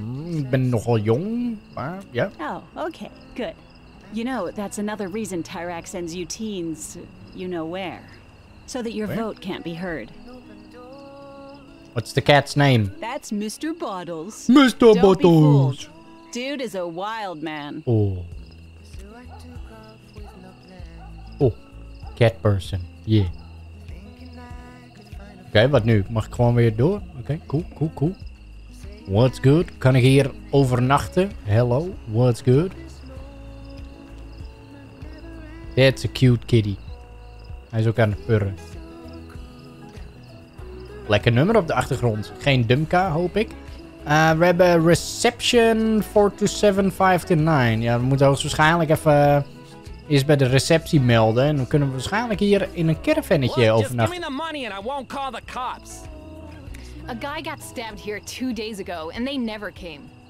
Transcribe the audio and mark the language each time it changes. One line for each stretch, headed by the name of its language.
Dutch: Ik ben nogal jong, maar ja.
English: Oh, okay, good. You know, that's another reason Tyrak sends you teens, you know where. So that your vote can't be heard. What's the cat's name? That's Mr. Bottles. Mr. Bottles! Dude is a wild man. Oh. Oh, cat person, yeah.
Dutch: Oké, wat nu? Mag ik gewoon weer door? Oké, cool.
English: What's good?
Dutch: Kan ik hier overnachten?
English: Hello, what's good? That's a cute kitty.
Dutch: Hij is ook aan het purren. Lekker nummer op de achtergrond. Geen Dumka, hoop ik. We hebben reception 427529. Ja, we moeten waarschijnlijk even eens bij de receptie melden. En dan kunnen we waarschijnlijk hier in een caravannetje overnachten.
English: Just give me the money and I won't call the cops. A guy got stabbed here 2 days ago and they never came.